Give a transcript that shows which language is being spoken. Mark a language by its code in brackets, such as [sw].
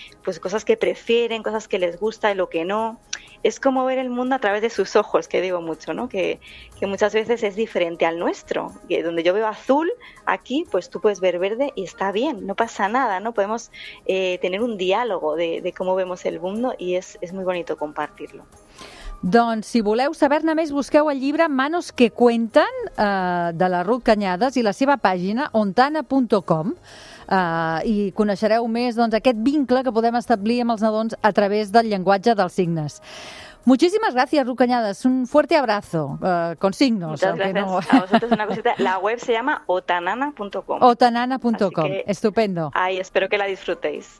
[es] Pues cosas que prefieren, cosas que les gusta y lo que no. Es como ver el mundo a través de sus ojos, que digo mucho, ¿no? Que muchas veces es diferente al nuestro. Que donde yo veo azul, aquí, pues tú puedes ver verde y está bien, no pasa nada, ¿no? Podemos tener un diálogo de cómo vemos el mundo y es muy bonito compartirlo. [ca] Doncs, si voleu saber-ne més, busqueu el llibre Manos que cuenten, de la Ruth Canyades, i la seva pàgina, ontana.com, i coneixereu més doncs, aquest vincle que podem establir amb els nadons a través del llenguatge dels signes. [es] Muchísimas gracias, Ruth Canyades. Un fuerte abrazo con signos. Muchas gracias. No. A vosotros una cosita. La web se llama otanana.com. Otanana.com. Estupendo. Ay, espero que la disfrutéis.